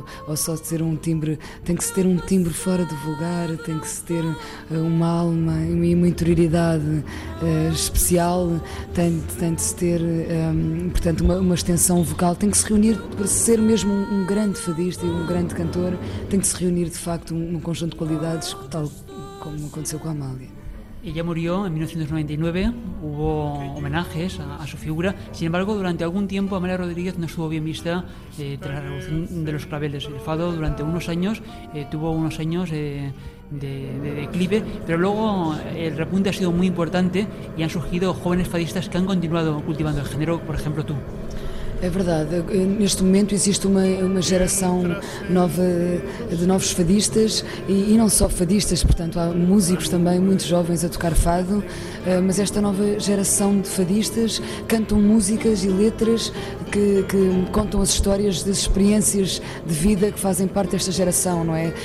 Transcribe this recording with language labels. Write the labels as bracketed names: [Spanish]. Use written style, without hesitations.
[Portuguese] Ou só ter um timbre, tem que se ter um timbre fora do vulgar, tem que se ter uma alma e uma interioridade especial, tem de se ter portanto uma extensão vocal, tem que se reunir para ser mesmo um grande fadista e um grande cantor, tem que se reunir de facto um conjunto de qualidades tal como aconteceu com a Amália. [Spanish] Ella murió en 1999, hubo homenajes a su figura. Sin embargo, durante algún tiempo Amália Rodríguez no estuvo bien vista tras la Revolución de los Claveles. El fado durante unos años tuvo unos años de declive, pero luego el repunte ha sido muy importante y han surgido jóvenes fadistas que han continuado cultivando el género, por ejemplo tú. [Portuguese] É verdade, neste momento existe uma geração nova de novos fadistas e não só fadistas, portanto há músicos também, muitos jovens a tocar fado, mas esta nova geração de fadistas cantam músicas e letras que contam as histórias das experiências de vida que fazem parte desta geração, não é?